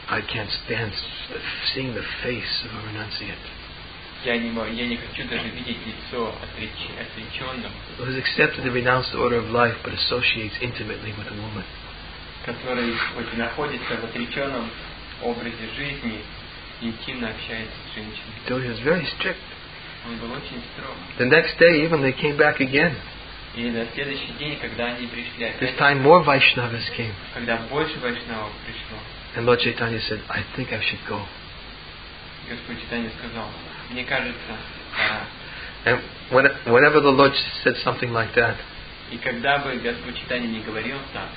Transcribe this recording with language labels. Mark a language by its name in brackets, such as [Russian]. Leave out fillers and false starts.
[English] I can't stand seeing the face of a renunciate." [Russian] Я не хочу даже видеть лицо отреченного. [English] Who has accepted the renounced order of life but associates intimately with a woman. [Russian] Который хоть и находится в отреченном образе жизни, интимно общается с женщиной. [English] So he was very strict. [Russian] Он был очень строг. [English] The next day, even they came back again. [Russian] И на следующий день, когда они пришли, [English] this time more Vaishnavas came. [Russian] Когда больше Вайшнавов пришло. [English] And Lord Chaitanya said, "I think I should go." [Russian] Господь Чайтанья сказал, мне кажется. [English] And whenever the Lord said something like that, [Russian] и когда бы Господь Чайтанья не говорил так,